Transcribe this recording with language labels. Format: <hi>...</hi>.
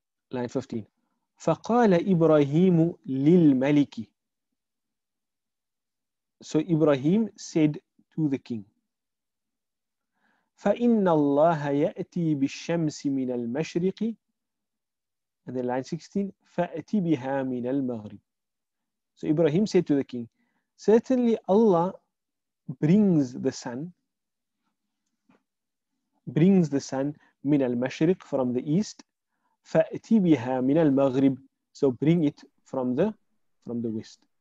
<en>Line 15.</en> <ar>فَقَالَ إِبْرَاهِيمُ لِلْمَلِكِ.</ar> <en>So Ibrahim said to the king,</en> <ar>فَإِنَّ اللَّهَ يَأْتِي بِالشَّمْسِ مِنَ الْمَشْرِقِ.</ar> <en>And then line 16,</en> <ar>فَأْتِي بِهَا مِنَ الْمَغْرِبِ.</ar> <en>So Ibrahim said to the king, certainly Allah brings the sun min al-mashriq, from the east.</en> <ar>فَأْتِي بِهَا مِنَ الْمَغْرِبِ.</ar> <en>So bring it from the west.</en>